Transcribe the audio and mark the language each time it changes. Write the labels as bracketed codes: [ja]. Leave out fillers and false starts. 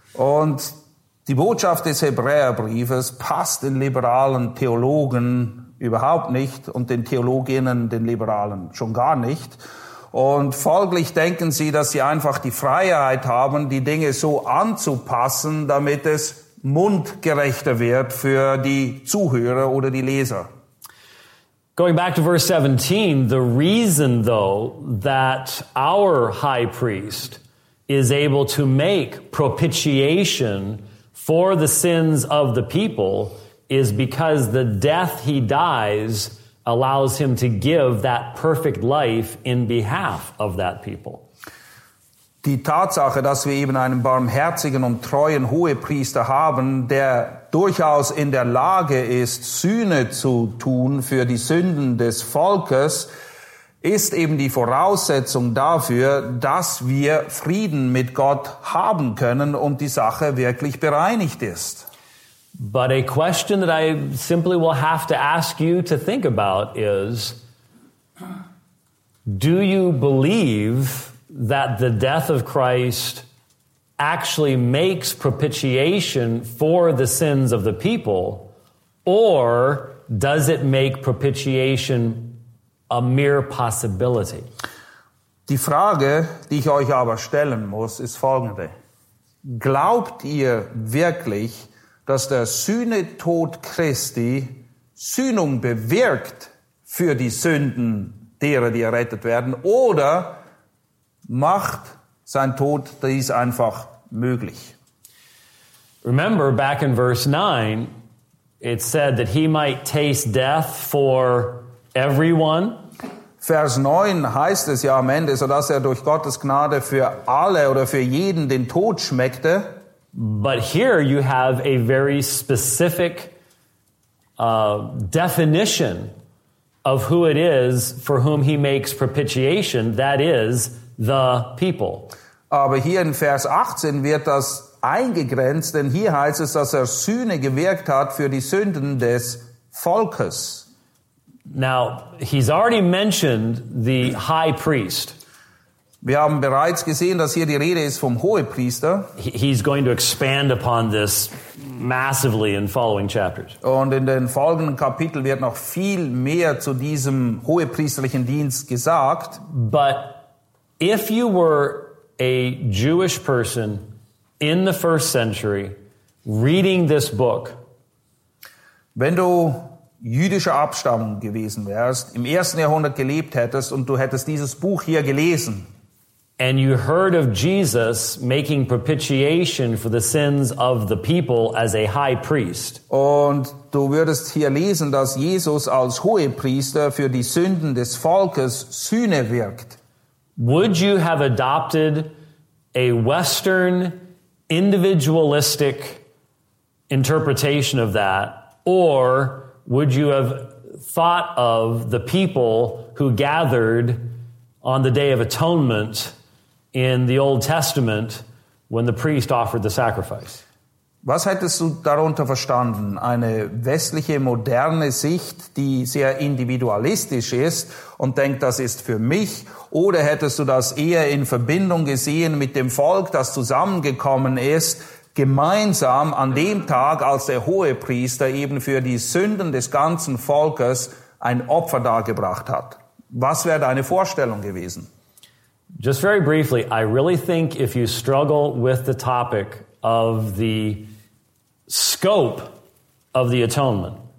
[de] Und die Botschaft des Hebräerbriefes passt den liberalen Theologen überhaupt nicht und den Theologinnen, den Liberalen, schon gar nicht. Und folglich denken sie, dass sie einfach die Freiheit haben, die Dinge so anzupassen, damit es mundgerechter wird für die Zuhörer oder die Leser. [en] Going back to verse 17, the reason though that our high priest is able to make propitiation for the sins of the people is because the death he dies allows him to give that perfect life in behalf of that people. [de] Die Tatsache, dass wir eben einen barmherzigen und treuen Hohepriester haben, der durchaus in der Lage ist, Sühne zu tun für die Sünden des Volkes, ist eben die Voraussetzung dafür, dass wir Frieden mit Gott haben können und die Sache wirklich bereinigt ist. [en] But a question that I simply will have to ask you to think about is, do you believe that the death of Christ actually makes propitiation for the sins of the people, or does it make propitiation a mere possibility? [de] Die Frage, die ich euch aber stellen muss, ist folgende. Glaubt ihr wirklich, dass der Sühnetod Christi Sühnung bewirkt für die Sünden derer, die errettet werden, oder macht sein Tod dies einfach möglich? [en] Remember back in verse 9, it said that he might taste death for everyone. [de] Vers 9 heißt es ja am Ende, sodass er durch Gottes Gnade für alle oder für jeden den Tod schmeckte. [en] But here you have a very specific definition of who it is for whom he makes propitiation, that is, the people. [de] Aber hier in Vers 18 wird das eingegrenzt, denn hier heißt es, dass er Sühne gewirkt hat für die Sünden des Volkes. [en] Now, he's already mentioned the high priest. [de] Wir haben bereits gesehen, dass hier die Rede ist vom Hohepriester. [en] He's going to expand upon this massively in following chapters. [de] Und in den folgenden Kapiteln wird noch viel mehr zu diesem hohepriesterlichen Dienst gesagt. [en] But if you were a Jewish person in the first century reading this book, [de] wenn du jüdischer Abstammung gewesen wärst, im ersten Jahrhundert gelebt hättest und du hättest dieses Buch hier gelesen, [en] and you heard of Jesus making propitiation for the sins of the people as a high priest, [de] und du würdest hier lesen, dass Jesus als Hohepriester für die Sünden des Volkes Sühne wirkt, [en] would you have adopted a Western individualistic interpretation of that, or would you have thought of the people who gathered on the Day of Atonement in the Old Testament when the priest offered the sacrifice? [de] Was hättest du darunter verstanden? Eine westliche, moderne Sicht, die sehr individualistisch ist und denkt, das ist für mich? Oder hättest du das eher in Verbindung gesehen mit dem Volk, das zusammengekommen ist, gemeinsam an dem Tag, als der Hohepriester eben für die Sünden des ganzen Volkes ein Opfer dargebracht hat? Was wäre deine Vorstellung gewesen? [en] Just very briefly, I really think if you struggle with the topic of the scope of the atonement.